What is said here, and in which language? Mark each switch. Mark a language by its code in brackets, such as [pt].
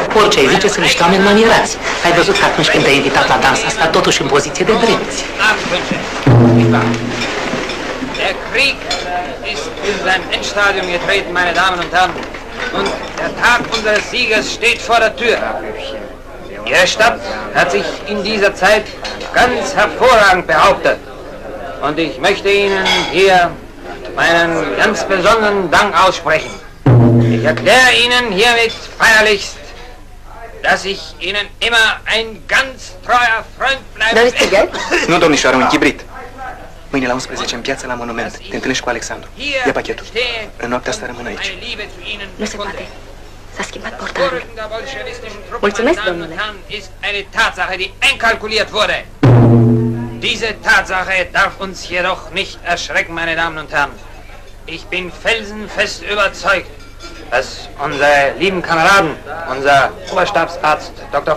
[ro] Ce-ai zice, sunt niște oameni manierați. Ai văzut că atunci când te-ai invitat la dansa asta, totuși în poziție de drept. [de] Der Krieg ist in sein Endstadium getreten, meine Damen und Herren. Und der Tag unseres Sieges steht vor der Tür. Ihre Stadt hat sich in dieser Zeit ganz hervorragend behauptet. Und ich möchte Ihnen hier meinen ganz besonderen Dank aussprechen. Ich erkläre Ihnen hiermit feierlichst, dass ich Ihnen immer ein ganz treuer Freund bleibe. [ro] Dar este gay? Nu, domnișoară, un chibrit. Mâine la 11, în piață, la Monument, te întâlnești cu Alexandru. Ia pachetul. În noaptea asta rămân aici. Nu se poate. S-a schimbat portarul. Mulțumesc, domnule. [de] ...ist eine Tatsache, die einkalkuliert wurde. Diese Tatsache darf uns jedoch nicht erschrecken, meine Damen und Herren. Ich bin felsenfest überzeugt, dass unsere lieben Kameraden, unser Oberstabsarzt Dr.